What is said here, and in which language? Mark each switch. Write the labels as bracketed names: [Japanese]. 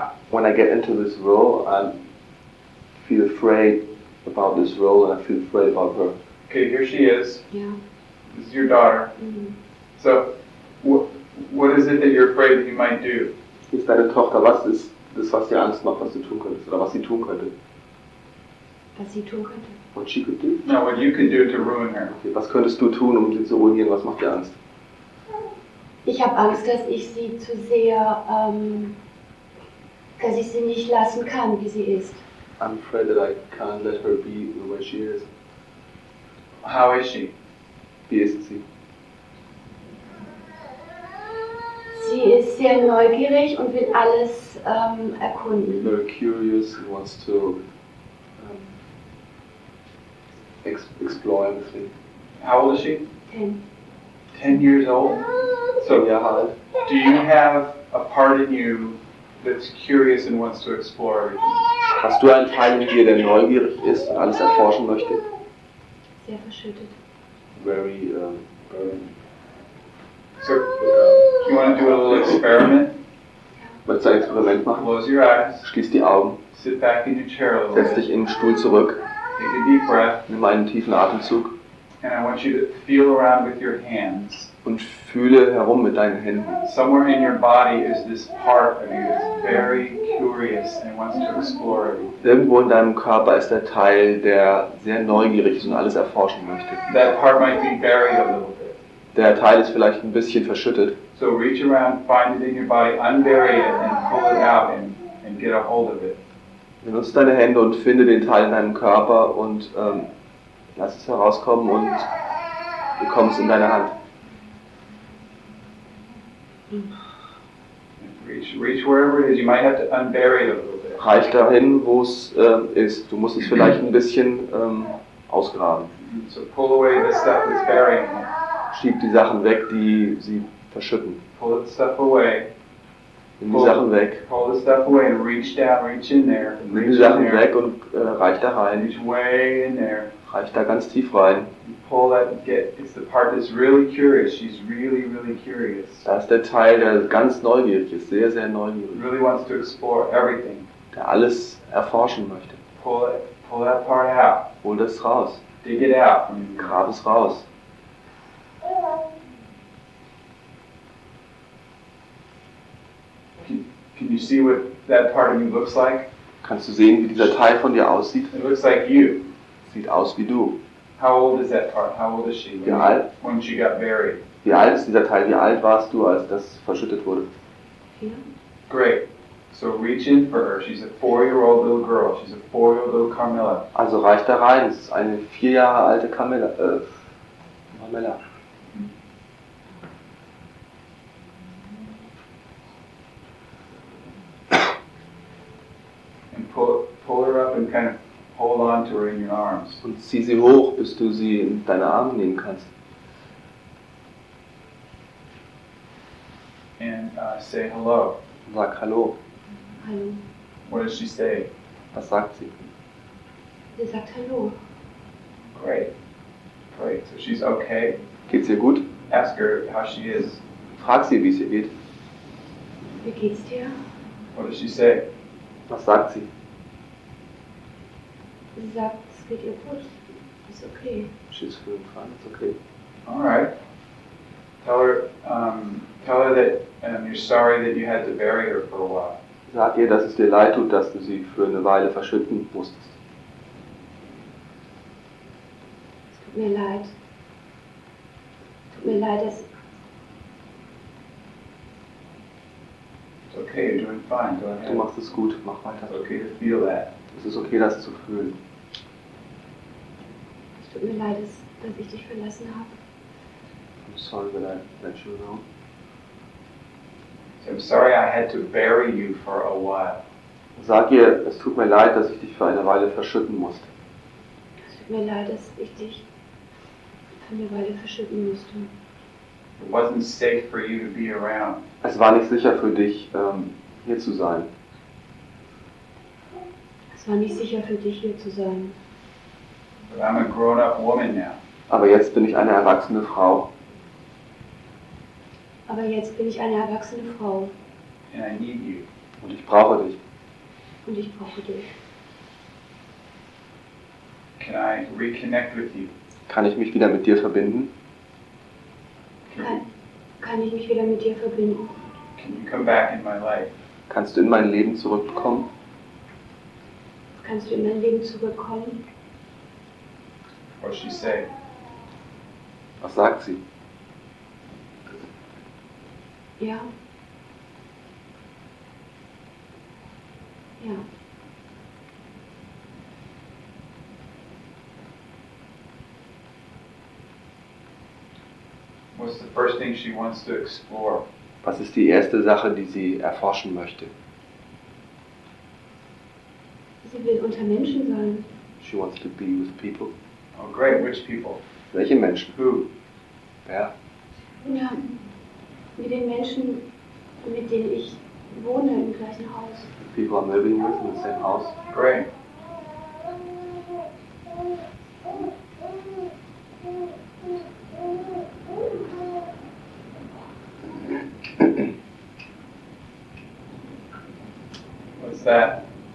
[English] When I get into this role, I feel afraid about this role and I feel afraid about her. Okay, here she is. Yeah. This is your daughter. Mm-hmm. So, what is it that you're afraid that you might do? [German] Ist deine Tochter, was ist das, was dir Angst macht, was du tun könntest, oder was sie tun könnte? Was sie tun könnte? [English] What she could do? No, what you could do to ruin her. [German] Okay, was könntest du tun, um sie zu ruinieren, was macht dir Angst? Ich habe Angst, dass ich sie zu sehr, dass ich sie nicht lassen kann, wie sie ist. [English] I'm afraid that I can't let her be the way she is. How is she? [German] Wie ist sie? Sie ist sehr neugierig und will alles erkunden. [English] Very curious, wants to explore everything. How old is she? 10. 10 years old? So, yeah, do you have a part in you that's curious and wants to explore everything? [German] Hast du einen Teil in dir, der neugierig ist und alles erforschen möchte? Sehr verschüttet. [English] Very, So, you want to do a little experiment? [German] Willst du ein Experiment machen? [English] Close your eyes. [German] Schließ die Augen. [English] Sit back in your chair a little. [German] Setz dich in den Stuhl zurück. [English] Take a deep breath. [German] Nimm einen tiefen Atemzug. [English] And I want you to feel around with your hands. [German] Und fühle herum mit deinen Händen. [English] Somewhere in your body is this part of you that's very curious and wants to explore everything. [German] Irgendwo in deinem Körper ist der Teil, der sehr neugierig ist und alles erforschen möchte. [English] That part might be buried a little. [German] Der Teil ist vielleicht ein bisschen verschüttet. [English] So reach around, find it in your body, unbury it and pull it out and get a hold of it. [German] Benutze deine Hände und finde den Teil in deinem Körper und lass es herauskommen und bekomm es in deine Hand. [English] Reach wherever it is. You might have to unbury it a little bit. [German] Reich dahin, wo es ist. Du musst es vielleicht ein bisschen ausgraben. [English] So pull away the stuff that's burying it. [German] Schieb die Sachen weg, die sie verschütten. [English] Pull the stuff away. [German] Nimm die Sachen weg. [English] Pull the stuff away and reach down, reach in there. [German] Nimm die Sachen weg und reich da rein. [English] Reach way in there. [German] Reich da ganz tief rein. [English] Pull that, get, it's the part that's really curious. She's really, really curious. [German] Das ist der Teil, der ganz neugierig ist, sehr, sehr neugierig. [English] Really wants to explore everything. [German] Der alles erforschen möchte. [English] Pull that part out. [German] Hol das raus. [English] Dig it out. [German] Grab es raus. [English] Can you see what that part of you looks like? [German] Kannst du sehen, wie dieser Teil von dir aussieht? [English] It looks like you. [German] Sieht aus wie du. [English] How old is that part? How old is she? [German] Wie alt? [English] When she got buried. [German] Wie alt ist dieser Teil? Wie alt warst du, als das verschüttet wurde? [English] Yeah. Great. So reach in for her. She's a four-year-old little girl. She's a four-year-old little Carmilla. [German] Also reich da rein. Es ist eine vier Jahre alte Carmilla. Carmilla. [English] Pull her up and kind of hold on to her in your arms. [German] Und zieh sie hoch, bis du sie in deine Arme nehmen kannst. [English] And say hello. [German] Und sag hallo. Hallo. [English] What does she say? [German] Was sagt sie? Sie sagt hallo. [English] Great. So she's okay. [German] Geht's ihr gut? [English] Ask her how she is. [German] Frag sie, wie es ihr geht. Wie geht's dir? [English] What does she say? [German] Was sagt sie? Sie sagt, es geht ihr gut. Ist okay. [English] She's feeling fine. It's okay. All right. Tell her that you're sorry that you had to bury her for a while. [German] Sag ihr, dass es dir leid tut, dass du sie für eine Weile verschütten musstest. Es tut mir leid. Tut mir leid, dass... [English] It's okay. You're doing fine. Go ahead. [German] Du machst es gut. Mach weiter. [English] It's okay to feel that. [German] Es ist okay, das zu fühlen. Es tut mir leid, dass ich dich verlassen habe. [English] I'm sorry that I let you know. I'm sorry I had to bury you for a while. [German] Sag ihr, es tut mir leid, dass ich dich für eine Weile verschütten musste. Es tut tut mir leid, dass ich dich für eine Weile verschütten musste. [English] It wasn't safe for you to be around. [German] Es war nicht sicher für dich, hier zu sein. Es war nicht sicher für dich, hier zu sein. [English] But I'm a grown-up woman now. [German] Aber jetzt bin ich eine erwachsene Frau. Aber jetzt bin ich eine erwachsene Frau. [English] And I need you. [German] Und ich brauche dich. Und ich brauche dich. [English] Can I reconnect with you? [German] Kann ich mich wieder mit dir verbinden? Kann ich mich wieder mit dir verbinden? [English] Can you come back in my life? [German] Kannst du in mein Leben zurückkommen? Kannst du in mein Leben zurückkommen? [English] What she say? [German] Was sagt sie? Ja. Ja. [English] What's the first thing she wants to explore? [German] Was ist die erste Sache, die sie erforschen möchte? Sie will unter Menschen sein. [English] She wants to be with people. Oh great, which people? [German] Welche Menschen? [English] Who? [German] Wer? Ja, mit den Menschen, mit denen ich wohne, im gleichen Haus. [English] The people I'm living with in the same house? Great. What's that?